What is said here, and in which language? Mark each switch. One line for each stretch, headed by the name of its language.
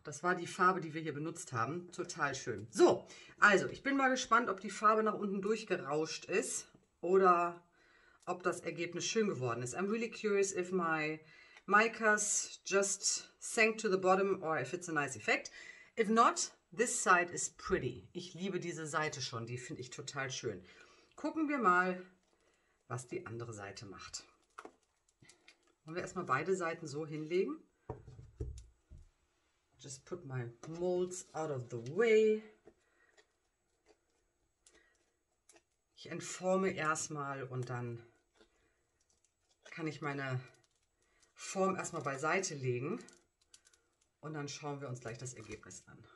German: Das war die Farbe, die wir hier benutzt haben. Total schön. So, also ich bin mal gespannt, ob die Farbe nach unten durchgerauscht ist. Oder ob das Ergebnis schön geworden ist.
English: I'm really curious if my micas just sank to the bottom or if it's a nice effect. If not, this side is pretty.
German: Ich liebe diese Seite schon, die finde ich total schön. Gucken wir mal, was die andere Seite macht. Wollen wir erstmal beide Seiten so hinlegen?
English: Just put my molds out of the way.
German: Ich entforme erstmal und dann kann ich meine Form erstmal beiseite legen. Und dann schauen wir uns gleich das Ergebnis an.